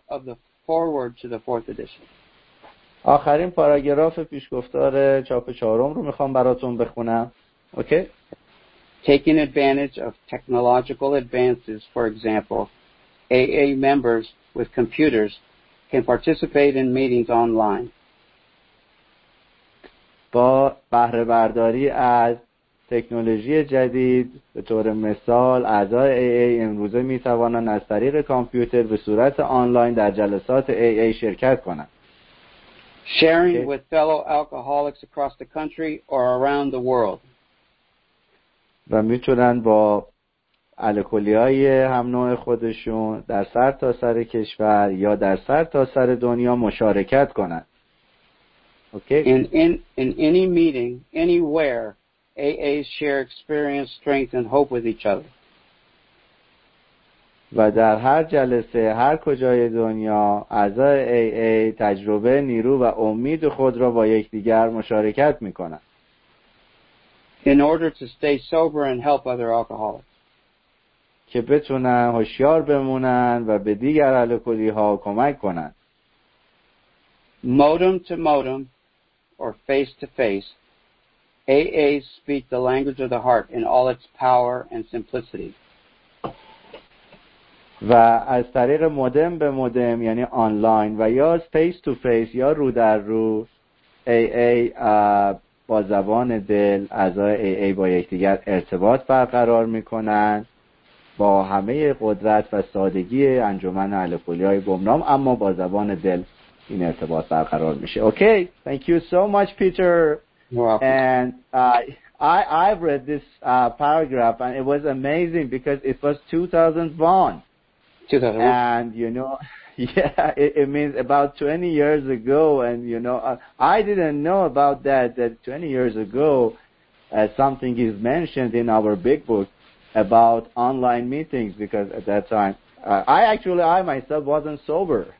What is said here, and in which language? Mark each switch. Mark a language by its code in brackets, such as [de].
[en] the last paragraph of the foreword to the fourth edition. [fa] آخرین پاراگراف پیشگفتار چاپ چهارم رو میخوام براتون بخونم. [en] Okay. Taking advantage of technological advances, for example, AA members with computers can participate in meetings online. [fa] با بهره برداری از تکنولوژی جدید به طور مثال اعضای AA امروزه می توانند از طریق کامپیوتر به صورت آنلاین در جلسات AA شرکت کنند. [en] Sharing okay. with fellow alcoholics across the country or around the world. [fa] و می توانند با الکلی‌های هم نوع خودشون در سر تا سر کشور یا در سر تا سر دنیا مشارکت کنند. [en] Okay. In any meeting, anywhere, AAs share experience, strength, and hope with each other. [fa] و در هر جلسه، هر کجای دنیا، اعضای AA تجربه، نیرو و امید خود را با یکدیگر مشارکت می‌کنند. [en] In order to stay sober and help other alcoholics. [fa] که بتونن هوشیار بمونن و به دیگر الکلی‌ها کمک کنند. [en] Modem to modem. Or face to face, AAs speak the language of the heart in all its power and simplicity. [fa] و از طریق مودم به مودم یعنی آنلاین و یا [en] face to face [fa] یا رو در رو AA با زبان دل اعضای AA با یکدیگر ارتباط برقرار میکنند با همه قدرت و سادگی انجمن الکلی‌های گمنام اما با زبان دل این ارتباط برقرار میشه. [en] Okay, thank you so much, Peter. And I've read this paragraph and it was amazing because it was 2001. And you know, yeah, it means about 20 years ago. And you know, I didn't know about that 20 years ago, something is mentioned in our big book about online meetings because at that time, I myself wasn't sober.